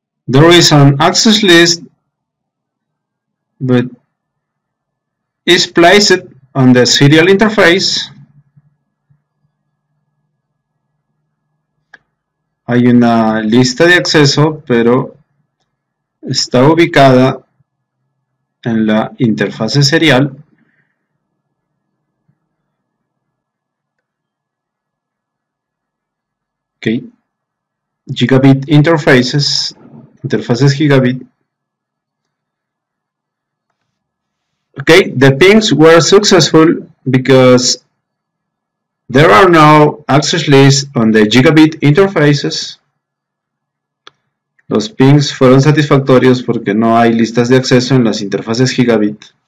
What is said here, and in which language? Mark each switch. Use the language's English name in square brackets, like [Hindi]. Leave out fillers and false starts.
[English] There is an access list, but is placed on the serial interface. [Spanish] Hay una lista de acceso, pero está ubicada en la interfase serial. [English] Okay. Gigabit interfaces. Interfaces gigabit. Okay, the pings were successful because there are no access lists on the gigabit interfaces. [Spanish] Los pings fueron satisfactorios porque no hay listas de acceso en las interfaces gigabit.